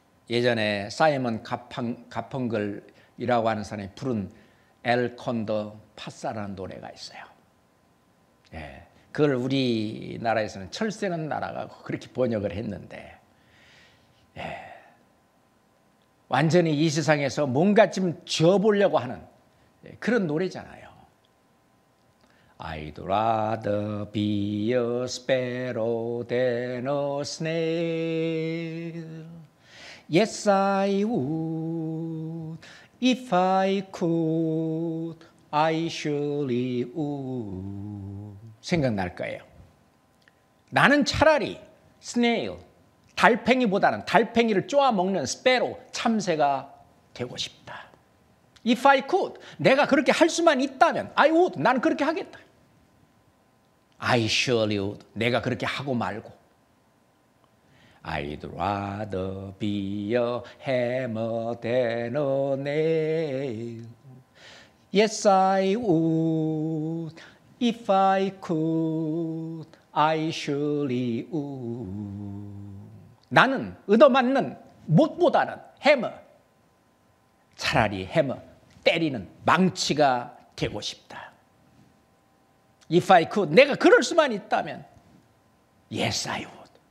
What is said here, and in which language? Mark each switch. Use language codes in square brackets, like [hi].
[ko] 예전에 사이먼 가펑글이라고 하는 사람이 부른 엘 콘더 파사라는 노래가 있어요. 예, 그걸 우리나라에서는 철새는 날아가고 그렇게 번역을 했는데 예, 완전히 이 세상에서 뭔가 좀 지어보려고 하는 그런 노래잖아요. [en] I'd rather be a sparrow than a snail. Yes, I would. If I could, I surely would. [ko] 생각날 거예요. 나는 차라리 snail, 달팽이보다는 달팽이를 쪼아먹는 sparrow, 참새가 되고 싶다. [en] If I could, [ko] 내가 그렇게 할 수만 있다면, [en] I would, [ko] 나는 그렇게 하겠다. [en] I surely would. [ko] 내가 그렇게 하고 말고. [en] I'd rather be a hammer than a nail. Yes, I would. If I could, I surely would. [ko] 나는 얻어맞는 못보다는 해머. 차라리 해머 때리는 망치가 되고 싶다. [en] If I could, [ko] 내가 그럴 수만 있다면 [en] Yes, I would.